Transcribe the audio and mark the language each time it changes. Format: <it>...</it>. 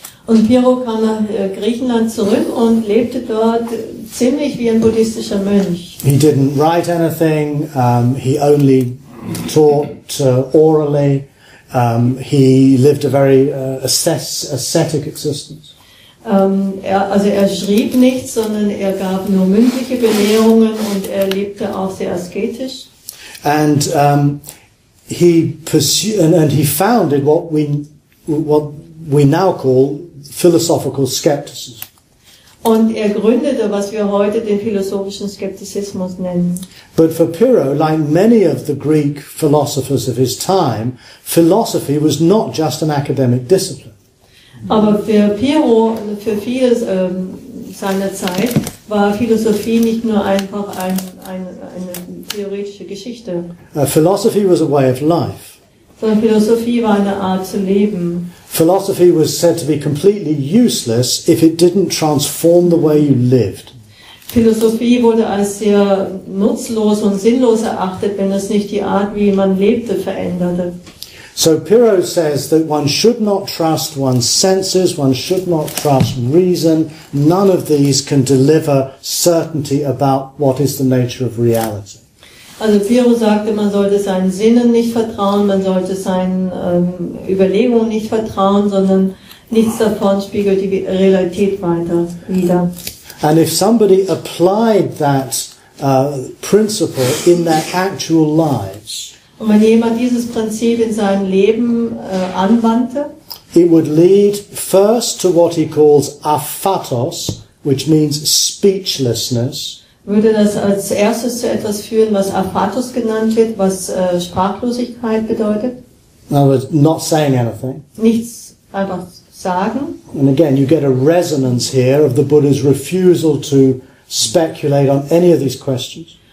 <de>Und Pyrrho kam nach Griechenland zurück und lebte dort ziemlich wie ein buddhistischer Mönch.</de> <en>He didn't write anything. He only taught orally. He lived a very ascetic existence.</en> <de>Er schrieb nichts, sondern er gab nur mündliche Belehrungen und er lebte auch sehr asketisch.</de> <en>And he founded what we now call philosophical skepticism.</en> <de>Und er gründete, was wir heute den philosophischen Skeptizismus nennen.</de> <en>But for Pyrrho, like many of the Greek philosophers of his time, philosophy was not just an academic discipline.</en> <de>Aber für Pyrrho, für viele seiner Zeit, war Philosophie nicht nur einfach eine theoretische Geschichte.</de> <en>Philosophy was a way of life.</en> <de>Sondern Philosophie war eine Art zu leben.</de> <en>Philosophy was said to be completely useless if it didn't transform the way you lived.</en> <de>Philosophie wurde als sehr nutzlos und sinnlos erachtet, wenn es nicht die Art, wie man lebte, veränderte.</de> <en>So Pyrrho says that one should not trust one's senses, one should not trust reason. None of these can deliver certainty about what is the nature of reality.</en> <de>Also Pyrrho sagte, man sollte seinen Sinnen nicht vertrauen, man sollte seinen Überlegungen nicht vertrauen, sondern nichts davon spiegelt die Realität weiter wider.</de> <en>And if somebody applied that principle in their actual lives,</en> <de>und wenn jemand dieses Prinzip in seinem Leben anwandte,</de> <en>it would lead first to what he calls aphatos, which means speechlessness.</en> <de>Würde das als erstes zu etwas führen, was aphatos genannt wird, was Sprachlosigkeit bedeutet.</de> <en>In other words, not saying anything.</en> <de>Nichts einfach sagen.</de> <en>And again, you get a resonance here of the Buddha's refusal to speculate on any of these questions.</en>